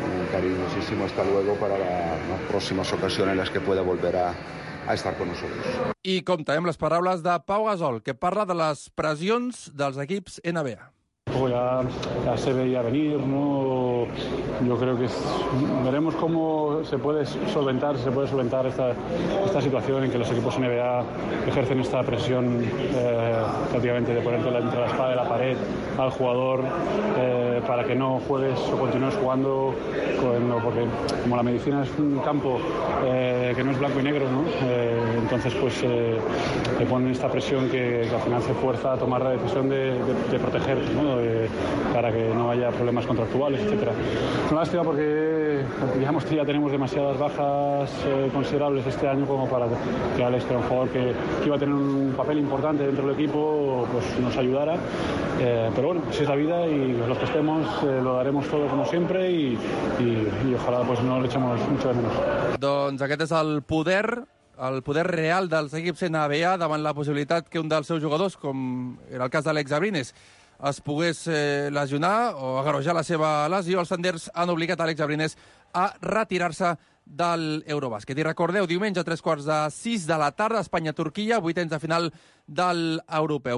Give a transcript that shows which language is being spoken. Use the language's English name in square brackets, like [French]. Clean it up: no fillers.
[Spanish] cariñosísimo hasta luego para las próximas ocasiones en las que pueda volver a estar con nosotros. [Catalan] I compta amb les paraules de Pau Gasol, que parla de les pressions dels equips NBA. [Spanish] Ya se veía venir, ¿no? Yo creo que veremos cómo se puede solventar esta situación en que los equipos NBA ejercen esta presión prácticamente de ponerte entre la espada y la pared al jugador para que no juegues o continúes jugando porque como la medicina es un campo que no es blanco y negro, ¿no? Entonces pues te ponen esta presión que al final se fuerza a tomar la decisión de protegerte, ¿no? Para que no haya problemas contractuales, etcétera. Es una lástima porque digamos que ya tenemos demasiadas bajas considerables este año como para que Alex, que era un jugador que iba a tener un papel importante dentro del equipo, pues nos ayudara. Pero bueno, así es la vida y los que estemos lo daremos todo como siempre y ojalá pues no le echemos mucho de menos. [Catalan] Doncs aquest és el poder real dels equips NBA davant la possibilitat que un dels seus jugadors, com era el cas d'Àlex Abrines, es pogués lesionar o agreujar la seva lesió. Els Thunders han obligat Àlex Abrines a retirar-se del Eurobàsquet. I recordeu, diumenge a 6:15 de la tarda, Espanya-Turquia, vuitens de final del Europeu.